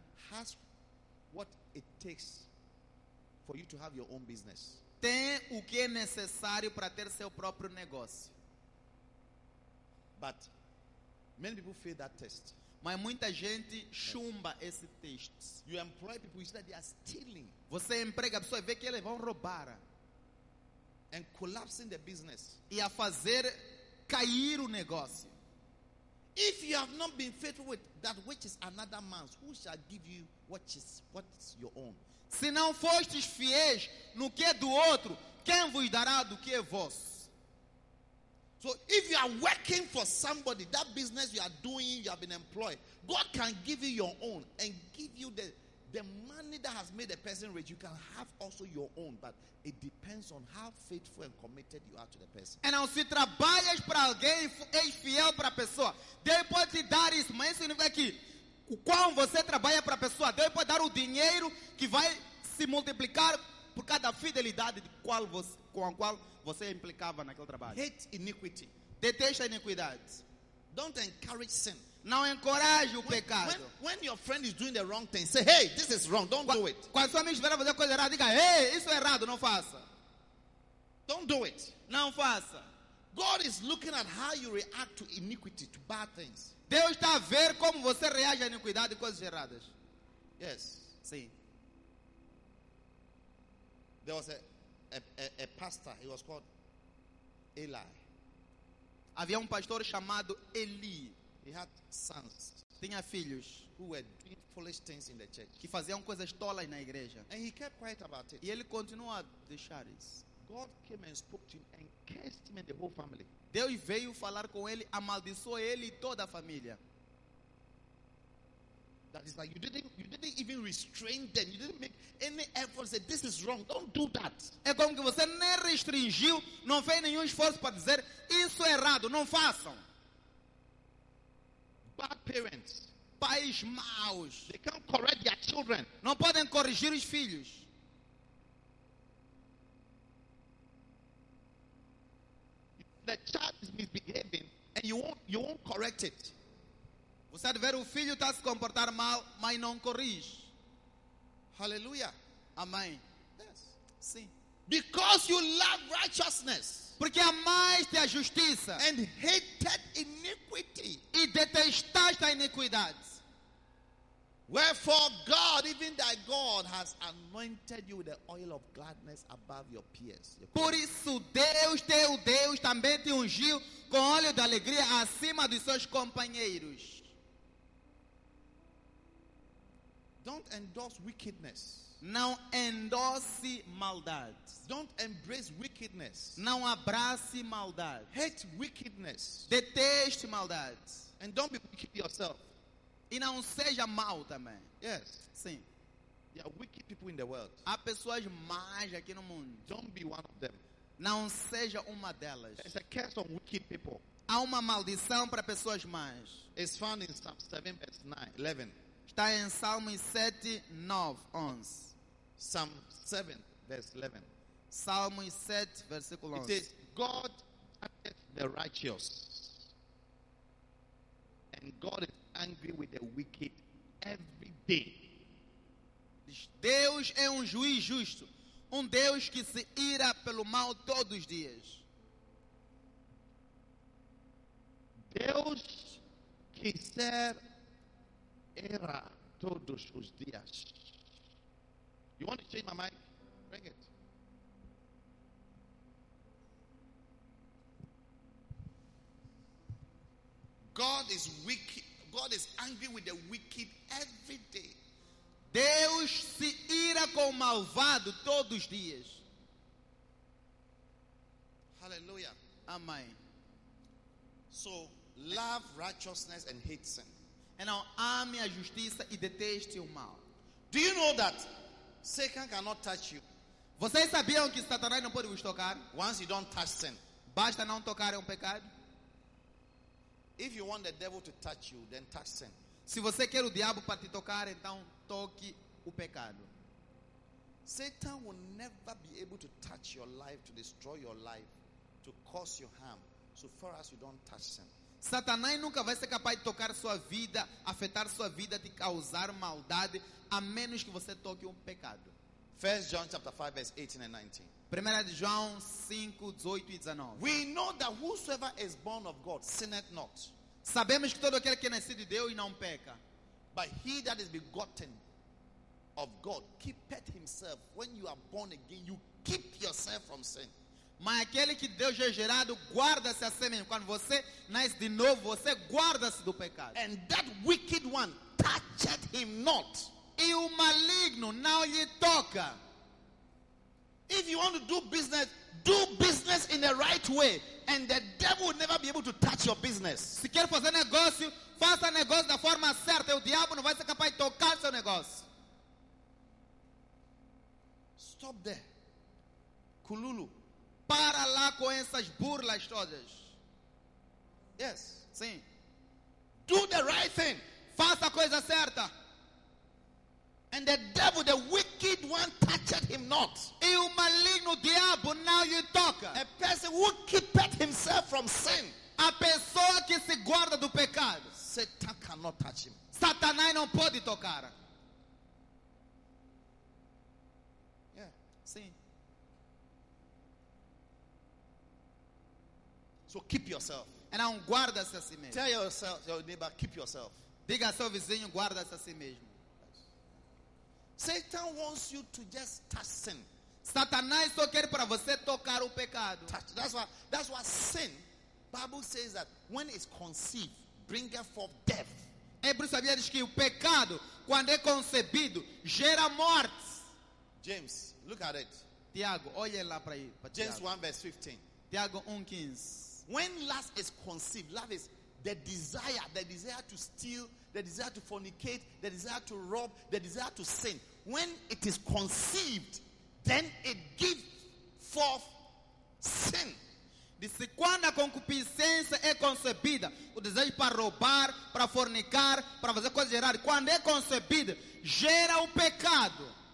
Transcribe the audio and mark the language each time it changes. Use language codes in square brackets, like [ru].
[en] has what it takes for you to have your own business. [pt] Tem o que é necessário para ter seu próprio negócio. [en] But many people fail that test. [pt] Mas muita gente chumba esse teste. [en] You employ people, you see that they are stealing. [pt] Você emprega pessoas, vê que eles vão roubar. [en] And collapsing the business. [pt] E a fazer cair o negócio. [en] If you have not been faithful with that which is another man's, who shall give you what is your own? [pt] Se não fostes fiéis no que é do outro, quem vos dará do que é vosso? [en] So if you are working for somebody, that business you are doing, you have been employed, God can give you your own and give you the money that has made the person rich. You can have also your own, but it depends on how faithful and committed you are to the person. [pt] E não, se trabalhas para alguém, é fiel para a pessoa, Deus pode te dar isso, mas isso significa que o quão você trabalha para a pessoa, Deus pode dar o dinheiro que vai se multiplicar por cada fidelidade de qual você, com a qual você implicava naquele trabalho. [en] Hate iniquity. [pt] Deteste a iniquidade. [en] Don't encourage sin. [pt] Não encoraje o pecado. [en] When your friend is doing the wrong thing, say, hey, this is wrong, don't do it. [pt] Quando seu amigo estiver a fazer coisa errada, diga, hey, isso é errado, não faça. [en] Don't do it. [pt] Não faça. [en] God is looking at how you react to iniquity, to bad things. [pt] Deus está a ver como você reage à iniquidade e coisas erradas. [en] Yes. [pt] Sim. [en] There was a pastor, he was called Eli. [pt] Havia pastor chamado Eli. [en] He had sons. [pt] Tinha filhos. [en] Who were doing foolish things in the church. [pt] Que faziam coisas tolas na igreja. [en] And he kept quiet about it. [pt] E ele continuou a deixar isso. [en] God came and spoke to him and cursed him and the whole family. [pt] Deus veio falar com ele, amaldiçoou ele e toda a família. [en] That is like you didn't even restrain them. You didn't make any effort to say this is wrong. Don't do that. [pt] É como que você nem restringiu, não fez nenhum esforço para dizer isso é errado, não façam. [en] Bad parents, [pt] pais maus, [en] they can't correct their children. [pt] Não podem corrigir os filhos. [en] The child is misbehaving and you won't correct it. [pt] Você deve ver o filho está se comportar mal, mas não corrige. [en] Hallelujah. [pt] Amém. [en] Yes. [pt] Sim. [en] Because you love righteousness. [pt] Porque amaste a justiça. [en] And hated iniquity. [pt] E detestaste a iniquidade. [en] Wherefore God, even thy God, has anointed you with the oil of gladness above your peers. [pt] Por isso Deus, teu Deus, também te ungiu com óleo de alegria acima dos seus companheiros. [en] Don't endorse wickedness. [pt] Não endosse maldade. [en] Don't embrace wickedness. [pt] Não abrace maldade. [en] Hate wickedness. [pt] Deteste maldade. [en] And don't be wicked yourself. [pt] E não seja mau também. [en] Yes. [pt] Sim. [en] There are wicked people in the world. [pt] Há pessoas más aqui no mundo. [en] Don't be one of them. [pt] Não seja uma delas. [en] There's a curse on wicked people. [pt] Há uma maldição para pessoas más. [en] It's found in Psalm 7, verse 9, 11. [pt] Está em Salmo 7, 9, 11. [en] Psalm 7, verse 11. [pt] Salmo 7, versículo 11. [en] It says, God judges the righteous, and God is angry with the wicked every day. [pt] Deus é um juiz justo, um Deus que se ira pelo mal todos os dias. Deus que ser era todos os dias. [en] You want to change my mic? Bring it. God is wicked. God is angry with the wicked every day. [pt] Deus se ira com o malvado todos os dias. [en] Hallelujah. [pt] Amém. [en] So, love righteousness and hate sin. And now, [pt] ame a justiça e deteste o mal. [en] Do you know that Satan cannot touch you? [pt] Vocês sabiam que Satanás não pode vos tocar? [en] Once you don't touch sin. [pt] Basta não tocar em pecado. [en] If you want the devil to touch you, then touch sin. [pt] Se você quer o diabo para te tocar, então toque o pecado. [en] Satan will never be able to touch your life, to destroy your life, to cause your harm, so far as you don't touch sin. [pt] Satanás nunca vai ser capaz de tocar sua vida, afetar sua vida, de causar maldade, a menos que você toque um pecado. [en] 1 John chapter 5, verse 18 and 19. [pt] Primeira de João 5, 18 e 19. [en] We know that whosoever is born of God sinneth not. [pt] Sabemos que todo aquele que nasce de Deus não peca. [en] But he that is begotten of God keepeth himself. When you are born again, you keep yourself from sin. [pt] Mas aquele que Deus é gerado guarda-se a si mesmo. Quando você nasce de novo, você guarda-se do pecado. [en] And that wicked one toucheth him not. [pt] E o maligno não lhe toca. [en] If you want to do business in the right way, and the devil will never be able to touch your business. [pt] Se quer fazer negócio, faça negócio da forma certa. O diabo não vai ser capaz de tocar seu negócio. [en] Stop there. Kululu. [pt] Para lá com essas burlas todas. [en] Yes. [pt] Sim. [en] Do the right thing. [pt] Faça a coisa certa. [en] And the devil, the wicked one, touched him not. [pt] E o maligno diabo não lhe toca. [en] A person who kept himself from sin. [pt] A pessoa que se guarda do pecado. [en] Satan cannot touch him. [pt] Satanás não pode tocar. [en] Yeah. [pt] Sim. [en] So keep yourself. [pt] E não guarda-se a si mesmo. [en] Tell yourself, your neighbor, keep yourself. [pt] Diga ao seu vizinho, guarda-se a si mesmo. [en] Satan wants you to just touch sin. [pt] Satanás só quer para você tocar o pecado. [en] Touch. That's why sin, Bible says that when it's conceived, bringeth forth death. [pt] Hebreus sabia diz que o pecado, quando é concebido, gera morte. [en] James, look at it. [pt] Tiago, olha lá para aí. Pra [en] James 1, verse 15. [pt] Tiago 1, 15. [en] When lust is conceived, love is the desire to steal, the desire to fornicate, the desire to rob, the desire to sin. When it is conceived, then it gives forth sin. [pt] Disse, quando a concupiscência é concebida, o desejo para roubar, para fornicar, para fazer coisas erradas, quando é concebida, gera o pecado.